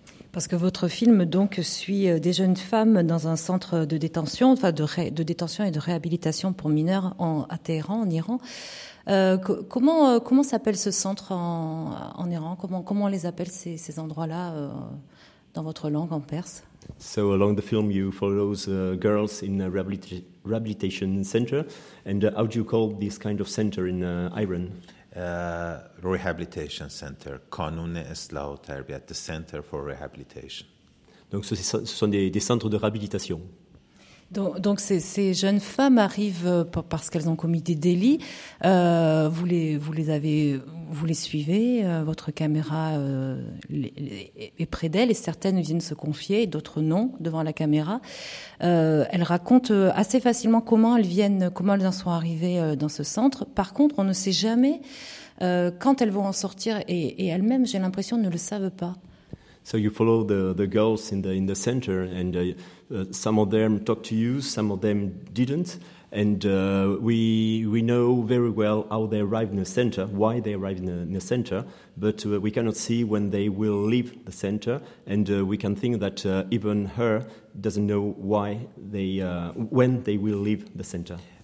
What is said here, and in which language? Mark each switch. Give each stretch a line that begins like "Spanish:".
French: Parce que votre film donc suit des jeunes femmes dans un centre de détention, enfin de détention et de réhabilitation pour mineurs à Téhéran, en Iran. Comment s'appelle ce centre en Iran? Comment on les appelle ces endroits-là dans votre langue, en perse?
English: So along the film, you follow girls in a rehabilitation center, and how do you call this kind of center in Iran? Rehabilitation center, Kanun Eslah Tarbiyat, the center for rehabilitation.
French: Donc ce sont des centres de réhabilitation. Donc ces jeunes femmes arrivent parce qu'elles ont commis des délits. Vous les suivez, votre caméra est près d'elles, et certaines viennent se confier, d'autres non, devant la caméra. Elles racontent assez facilement comment elles en sont arrivées dans ce centre. Par contre, on ne sait jamais quand elles vont en sortir, et elles-mêmes, j'ai l'impression, ne le savent pas.
English: So you follow the girls in the center, and some of them talk to you, some of them didn't, and we know very well how they arrived in the center, why they arrived in the center, but we cannot see when they will leave the center, and we can think that even her doesn't know why when they will leave the center.